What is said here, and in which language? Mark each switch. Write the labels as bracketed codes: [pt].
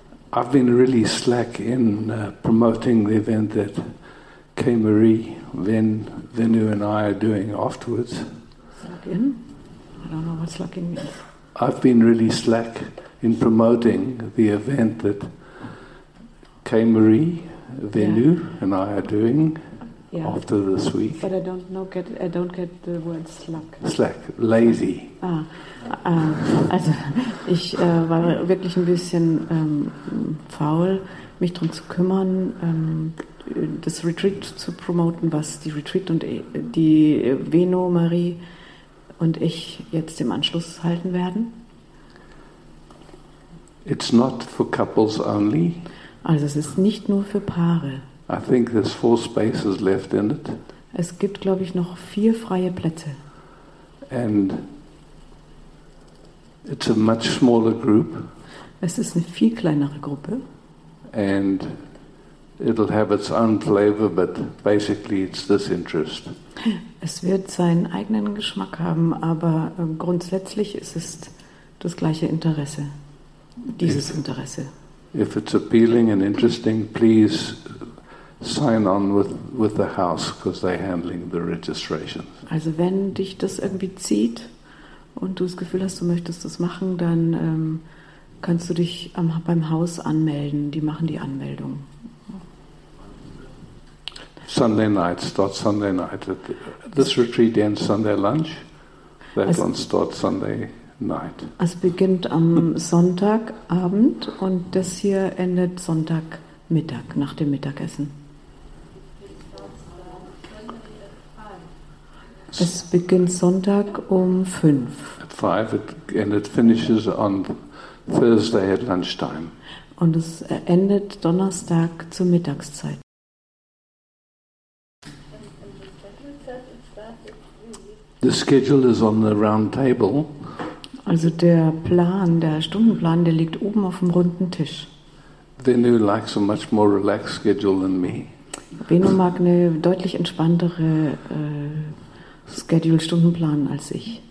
[en] I've been really slack in promoting the event that Kay Marie, Venu and I are doing afterwards. Slack in? I don't know what slacking means. I've been really slack in promoting the event that Kay Marie, Venu and I are doing after this week. But I don't get the word slack. Slack, lazy. [de] Also ich war wirklich ein bisschen faul, mich darum zu kümmern, das Retreat zu promoten, was die Retreat und die Venu, Marie und ich jetzt im Anschluss halten werden. [en] It's not for couples only. [de] Also es ist nicht nur für Paare. [en] I think there's four spaces left in it. [de] Es gibt, glaube ich, noch vier freie Plätze. [en] And it's a much smaller group. [de] Es ist eine viel kleinere Gruppe. [en] And it'll have its own flavor, but basically it's this interest. [de] Es wird seinen eigenen Geschmack haben, aber grundsätzlich ist es das gleiche Interesse. Dieses Interesse. [en] If it's appealing and interesting, please sign on with the house, because they're handling the registration. [de] Also wenn dich das irgendwie zieht und du das Gefühl hast, du möchtest das machen, dann kannst du dich beim Haus anmelden. Die machen die Anmeldung. [en] Sunday night starts Sunday night. This retreat ends Sunday lunch. One starts Sunday night. [de] Es beginnt am Sonntagabend und das hier endet Sonntagmittag, nach dem Mittagessen. Es beginnt Sonntag um 5. [en] At 5 and it finishes on Thursday at lunchtime. [de] Und es endet Donnerstag zur Mittagszeit. [en] The schedule is on the round table. [de] Also der Plan, der Stundenplan, der liegt oben auf dem runden Tisch. [en] Venu likes a much more relaxed schedule than me. [de] Venu mag eine deutlich entspanntere Schedule, Stundenplan als ich.